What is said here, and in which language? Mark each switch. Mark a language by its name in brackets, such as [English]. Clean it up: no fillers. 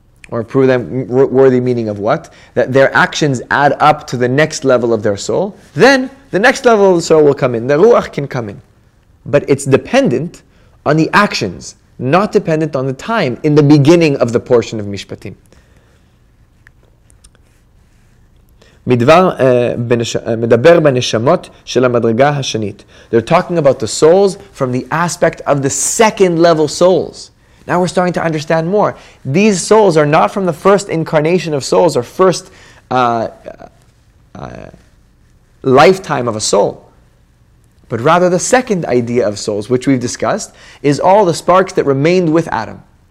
[English] or prove them worthy, meaning of what? That their actions add up to the next level of their soul, then the next level of the soul will come in. The ruach can come in. But it's dependent on the actions, not dependent on the time in the beginning of the portion of Mishpatim. [Hebrew] מדבר בנשמות של המדרגה השנית. [English] They're talking about the souls from the aspect of the second level souls. Now we're starting to understand more. These souls are not from the first incarnation of souls or first lifetime of a soul. But rather the second idea of souls, which we've discussed, is all the sparks that remained with Adam.